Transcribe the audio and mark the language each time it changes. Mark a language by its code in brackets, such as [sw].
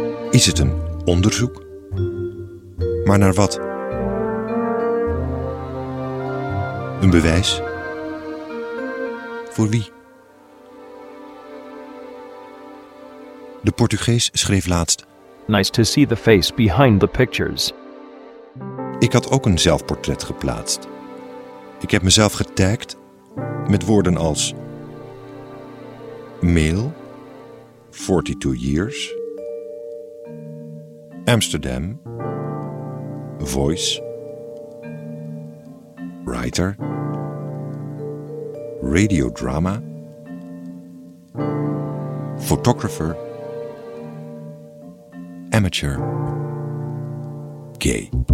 [nl] Is het een onderzoek? Maar naar wat? Een bewijs? Voor wie? De Portugees schreef laatst: [en] Nice to see the face behind the pictures. [nl] Ik had ook een zelfportret geplaatst. Ik heb mezelf getagd met woorden als: [en] Male, 42 years. [nl] Amsterdam, [en] voice, writer, radio drama, photographer, amateur, gay.